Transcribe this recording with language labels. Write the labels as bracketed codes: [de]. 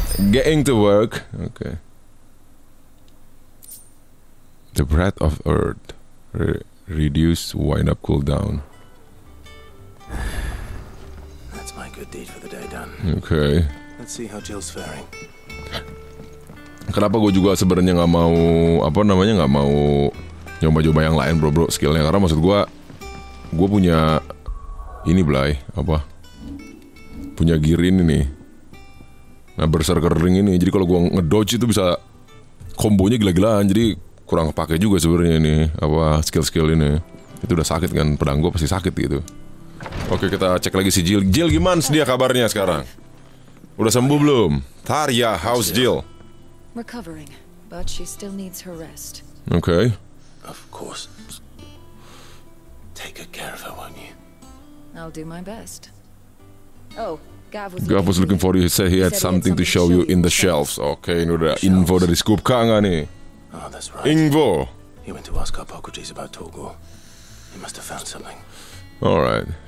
[en] Getting to work. Okay. The breath of earth. Reduce wind-up cooldown. That's my good deed for the day done. Okay. Let's see how Jill's faring. [id] Kenapa gue juga sebenarnya nggak mau apa namanya, nggak mau nyoba-nyoba yang lain bro-bro skillnya, karena maksud gue punya ini Blay, apa punya gear ini nih, nah berserker ring ini, jadi kalau gue ngedodge itu bisa kombonya gila-gilaan, jadi kurang kepake juga sebenarnya ini apa skill-skill ini, itu udah sakit kan pedang gue pasti sakit gitu. Oke, kita cek lagi si Jill. Jill gimana dia kabarnya sekarang, udah sembuh belum? [en] Tarya, how's Jill? Recovering, but she still needs her rest. Okay. Of course. Take good care of her, won't you? I'll do my best. Oh, Gav was looking for you. He said he had something to show you in the shelves. [id] Okay, ini udah info dari Scoop Kang, ini. [en] Oh, that's right. Info. He went to ask our Pokerjis about Togo. He must have found something. All right.